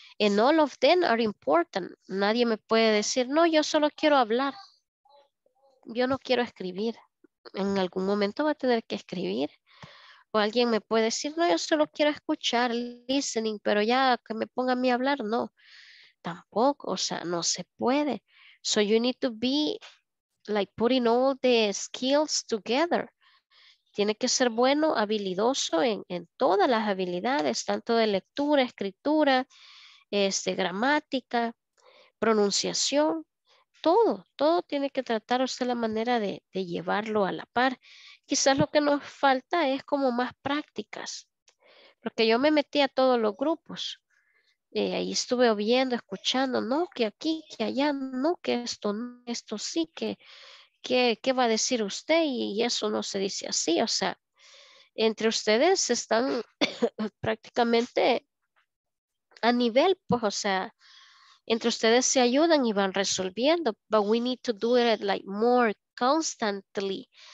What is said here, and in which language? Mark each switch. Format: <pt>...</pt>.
<en>And all of them are important.</en> <es>Nadie me puede decir, no, yo solo quiero hablar. Yo no quiero escribir. En algún momento va a tener que escribir. O alguien me puede decir, no, yo solo quiero escuchar, listening, pero ya que me ponga a mí a hablar, no. Tampoco, o sea, no se puede.</es> <en>So you need to be like putting all the skills together.</en> <es>Tiene que ser bueno, habilidoso en todas las habilidades, tanto de lectura, escritura, gramática, pronunciación, todo. Todo tiene que tratar usted la manera de llevarlo a la par. Quizás lo que nos falta es como más prácticas, porque yo me metí a todos los grupos, ahí estuve viendo, escuchando, no, que aquí, que allá, no, que esto, esto sí, que qué va a decir usted y eso no se dice así, o sea, entre ustedes están prácticamente a nivel, pues, o sea, entre ustedes se ayudan y van resolviendo,</es> <en>but we need to do it like more constantly.</en>